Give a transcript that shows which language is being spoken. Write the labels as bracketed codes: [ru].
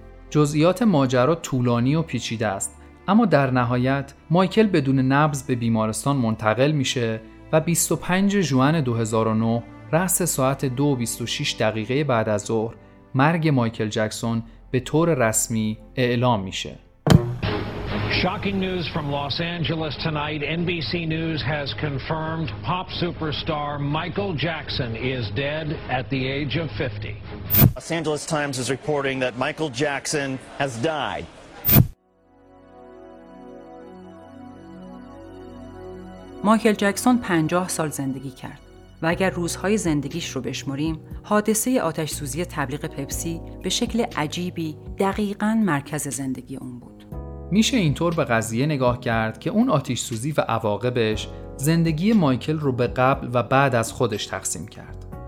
[fa] جزئیات ماجرا طولانی و پیچیده است، اما در نهایت مایکل بدون نبض به بیمارستان منتقل میشه و 25 ژوئن 2009 رأس ساعت 2:26 بعد از ظهر مرگ مایکل جکسون به طور رسمی اعلام میشه. [en] Shocking news from Los Angeles tonight. NBC News has confirmed pop superstar Michael Jackson is dead at the age of 50. Los Angeles Times is reporting that Michael Jackson has died. [fa] مایکل جکسون 50 سال زندگی کرد و اگر روزهای زندگیش رو بشماریم، حادثه آتش سوزی تبلیغ پپسی به شکل عجیبی دقیقاً مرکز زندگی اون بود. میشه اینطور به قضیه نگاه کرد که اون آتش سوزی و عواقبش زندگی مایکل رو به قبل و بعد از خودش تقسیم کرد.